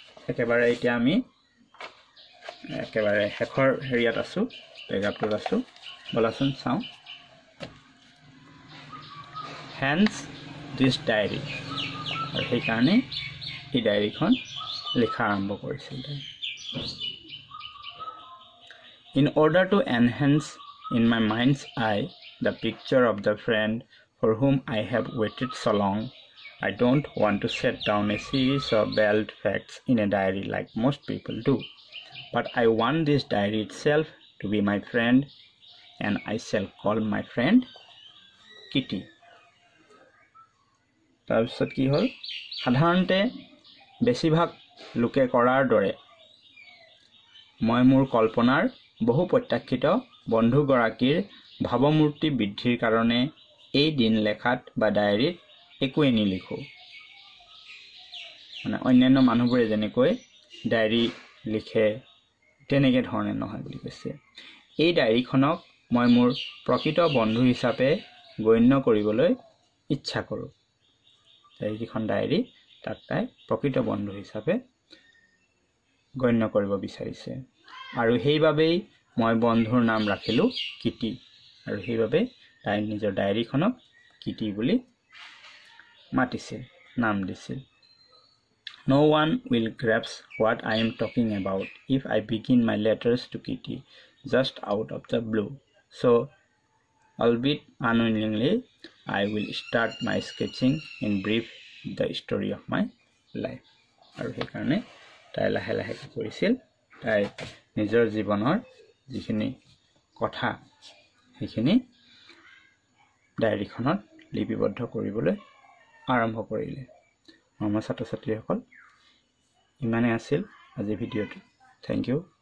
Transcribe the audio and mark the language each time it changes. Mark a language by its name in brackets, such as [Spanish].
[Assamese] একেবাৰে এতিয়া আমি একেবাৰে শেষৰ হেৰিয়াত আছোঁ, পেগাপটোত আছোঁ, বলাচোন চাওঁ। [English] hence this [Assamese] ডায়েৰী, আৰু সেইকাৰণেই এই ডায়েৰীখন লিখা আৰম্ভ কৰিছিল। [English] In order to enhance in my mind's eye the picture of the friend for whom I have waited so' long, I don't want to set down a series of bald facts in a diary like most people do, but I want this diary itself to be my friend, and I shall call my friend Kitty. [Assamese] তাৰপিছত কি হ'ল, সাধাৰণতে বেছিভাগ লোকে কৰাৰ দৰে মই মোৰ কল্পনাৰ বহু প্ৰত্যাশিত বন্ধুগৰাকীৰ ভাৱমূৰ্তি বৃদ্ধিৰ কাৰণে এই দিন লেখাত বা ডায়েৰীত একোৱে নিলিখোঁ। মানে অন্যান্য মানুহবোৰে যেনেকৈ ডায়েৰী লিখে তেনেকৈ ধৰণে নহয় বুলি কৈছে। এই ডায়েৰীখনক মই মোৰ প্ৰকৃত বন্ধু হিচাপে গণ্য কৰিবলৈ ইচ্ছা কৰোঁ। যিখন ডায়েৰী তাক তাই প্ৰকৃত বন্ধু হিচাপে গণ্য কৰিব বিচাৰিছে, আৰু সেইবাবেই মই বন্ধুৰ নাম ৰাখিলোঁ কিটি, আৰু সেইবাবে তাই নিজৰ ডায়েৰীখনক কিটি বুলি মাতিছিল, নাম দিছিল। [English] No one will grasp what I am talking about if I begin my letters to Kitty just out of the blue. So, albeit unwillingly, I will start my sketching in brief the story of my life. [Assamese] আৰু সেইকাৰণে তাই লাহে লাহে কি কৰিছিল, তাই নিজৰ জীৱনৰ যিখিনি কথা সেইখিনি ডায়েৰীখনত লিপিবদ্ধ কৰিবলৈ আৰম্ভ কৰিলে। মৰমৰ ছাত্ৰ ছাত্ৰীসকল, ইমানে আছিল আজিৰ ভিডিঅ'টো। [English] Thank you.